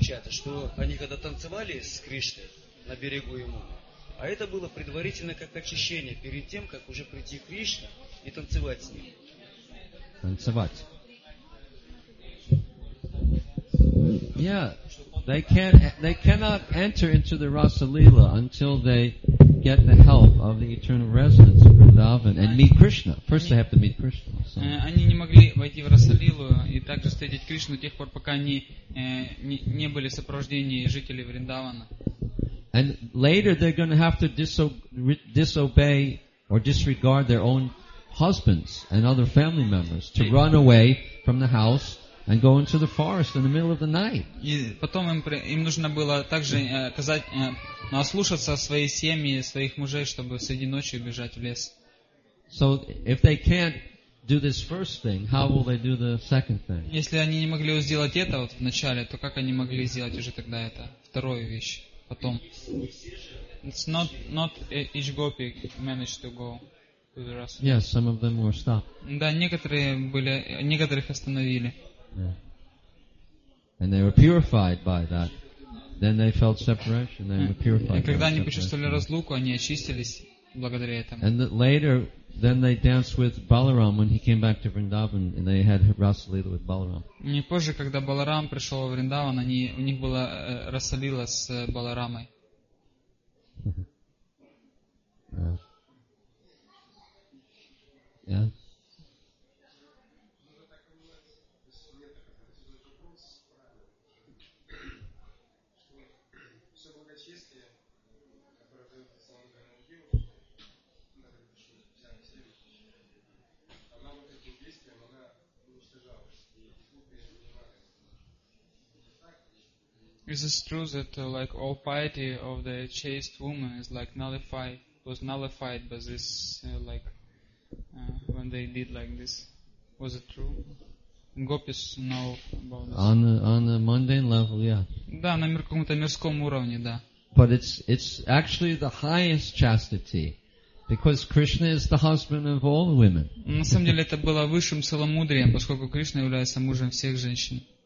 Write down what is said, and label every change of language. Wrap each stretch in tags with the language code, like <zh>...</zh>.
<ru>Что они когда танцевали с Кришной на берегу ему, а это было предварительно как очищение перед тем, как уже прийти к Кришне и танцевать с ним. Танцевать.</ru> <en>Yeah, they cannot enter into the Rasa Lila until they get the help of the eternal residence of Vrindavan and meet Krishna. First they have to meet Krishna.</en> <ru>Они не могли войти в Расалилу и также встретить Кришну тех пор, пока они не были в сопровождении жителей Вриндавана.</ru> <en>And later they're going to have to disobey or disregard their own husbands and other family members to run away from the house and go into the forest in the middle of the night.</en> <ru>И потом им нужно было также ослушаться своей семьи, своих мужей, чтобы среди ночи убежать в лес.</ru> <en>So if they can't do this first thing, how will they do the second thing?</en> <ru>Если они не могли сделать это вот в начале, то как они могли сделать уже тогда это вторую вещь потом?</ru> <en>It's not each gopi managed to go to the rest. Yes, some of them were stopped.</en> <ru>Да, некоторых остановили.</ru> <en>Yeah. And they were purified by that. Then they felt separation. They were purified.</en> <ru>И когда они почувствовали разлуку, они очистились благодаря этому.</ru> <en>And later, then they danced with Balaram when he came back to Vrindavan, and they had Rasalila with Balaram.</en> <ru>Не позже, когда Баларам пришел в Вриндаван, у них была Расалила с Баларамой.</ru> <en>Yeah. Is it true that like all piety of the chaste woman is like was nullified by this when they did like this? Was it true? Gopis know about this. On a mundane level, yeah.</en> <ru>Да, на каком-то мирском уровне, да.</ru> <en>But it's actually the highest chastity, because Krishna is the husband of all women.</en> <ru>На самом деле это было высшим целомудрием, поскольку Кришна является мужем всех женщин.</ru>